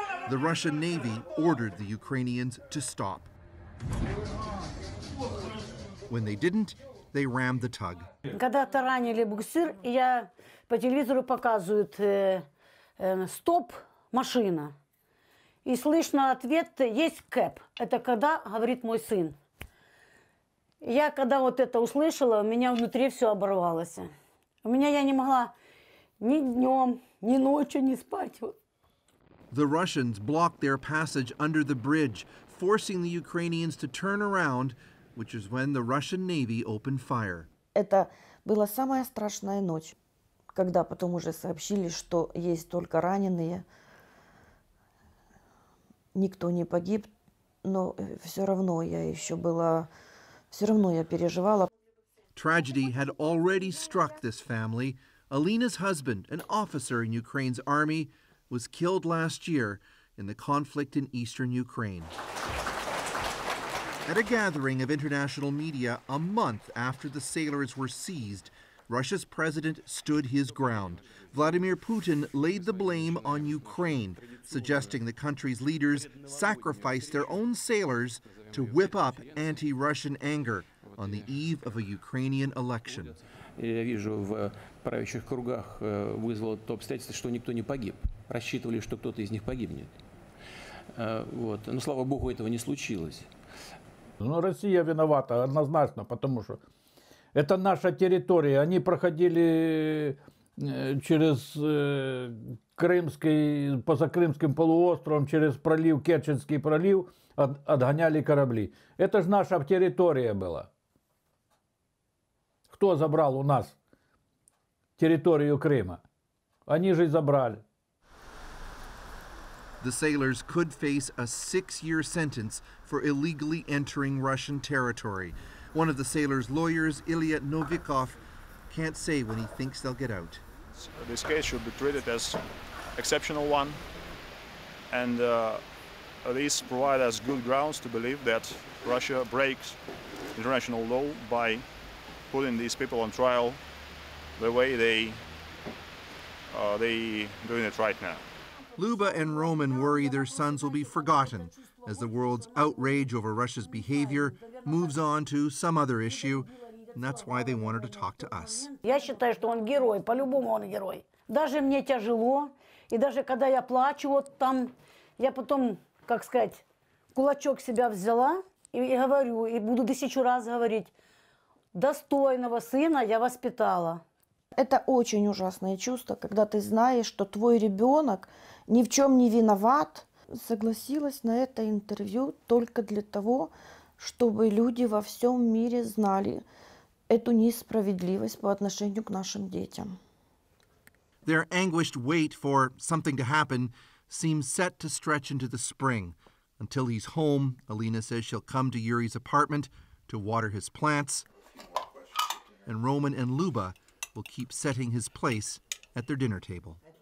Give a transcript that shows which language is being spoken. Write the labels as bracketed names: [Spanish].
[English] The Russian Navy ordered the Ukrainians to stop. When they didn't, they rammed the tug. [Russian] Когда-то ранили буксир, и я по телевизору показывают. Стоп, машина. И слышно ответ, есть кэп. Это когда, говорит мой сын. Я когда вот это услышала, у меня внутри все оборвалось. У меня я не могла ни днем, ни ночью не спать. [English] The Russians blocked their passage under the bridge, forcing the Ukrainians to turn around, which is when the Russian Navy opened fire. [Russian] Это была самая страшная ночь. Когда потом уже сообщили, что есть только раненые, никто не погиб, но все равно я еще была, все равно я переживала. [English] Tragedy had already struck this family. Alina's husband, an officer in Ukraine's army, was killed last year in the conflict in eastern Ukraine. At a gathering of international media a month after the sailors were seized, Russia's president stood his ground. Vladimir Putin laid the blame on Ukraine, suggesting the country's leaders sacrificed their own sailors to whip up anti-Russian anger on the eve of a Ukrainian election. [Russian] Я вижу в правящих кругах вызвало то обстоятельство, что никто не погиб. рассчитывали, что кто-то из них погибнет. Вот. Но, слава богу, этого не случилось. Ну, Россия виновата однозначно, потому что это наша территория. Они проходили через за Крымским полуостровом, через пролив, Керченский пролив, отгоняли корабли. Это же наша территория была. Кто забрал у нас территорию Крыма? Они же и забрали. [English] The sailors could face a six-year sentence for illegally entering Russian territory. One of the sailors' lawyers, Ilya Novikov, can't say when he thinks they'll get out. So this case should be treated as exceptional one, and this provides us good grounds to believe that Russia breaks international law by putting these people on trial the way they're doing it right now. Luba and Roman worry their sons will be forgotten as the world's outrage over Russia's behavior moves on to some other issue, and that's why they wanted to talk to us. [Russian] Я считаю, что он герой, по-любому он герой. Даже мне тяжело, и даже когда я плачу вот там, я потом, как сказать, кулачок себя взяла и говорю, и буду тысячу раз говорить, достойного сына я воспитала. Это очень ужасное чувство, когда ты знаешь, что твой ребенок ни в чем не виноват. Согласилась на это интервью только для того, чтобы люди во всем мире знали эту несправедливость по отношению к нашим детям. [English] Their anguished wait for something to happen seems set to stretch into the spring. Until he's home, Alina says she'll come to Yuri's apartment to water his plants. And Roman and Luba will keep setting his place at their dinner table.